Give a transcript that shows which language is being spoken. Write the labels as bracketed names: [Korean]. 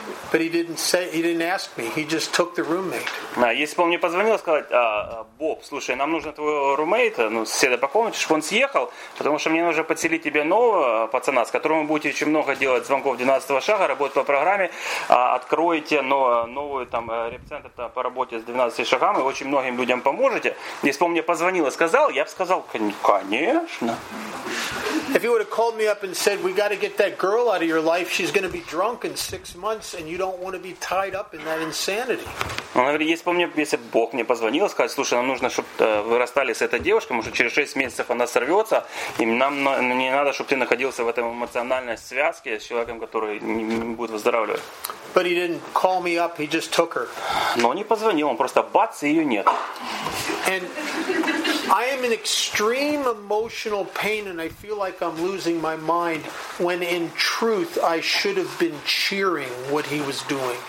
[English] But he didn't say, he didn't ask me. He just took the roommate. [Russian] Да, если бы он мне позвонил и сказал, Боб, слушай, нам нужно твоего румейта, ну, соседа по комнате, чтобы он съехал, потому что мне нужно подселить тебе нового пацана, с которым вы будете очень много делать звонков 12-го шага, работать по программе, откроете новый там реп-центр по работе с 12 шагами, очень многим людям поможете. Если бы он мне позвонил и сказал, я бы сказал, конечно. [English] If he would have called me up and said, "We got to get that girl out of your life. She's going to be drunk in 6 months, and you don't want to be tied up in that insanity." [Russian] Он говорит, если бы Бог мне позвонил и сказал, слушай, нам нужно, чтобы вы расстались с этой девушкой, потому что через 6 месяцев она сорвется, и нам не надо, чтобы ты находился в этом эмоциональной связке с человеком, который не будет выздоравливать. [English] But he didn't call me up. He just took her. [Russian] Но он не позвонил. Он просто бац, и ее нет. [English] And I am in extreme emotional pain, and I feel like I'm losing my mind. When in truth, I should have been cheering what he was doing.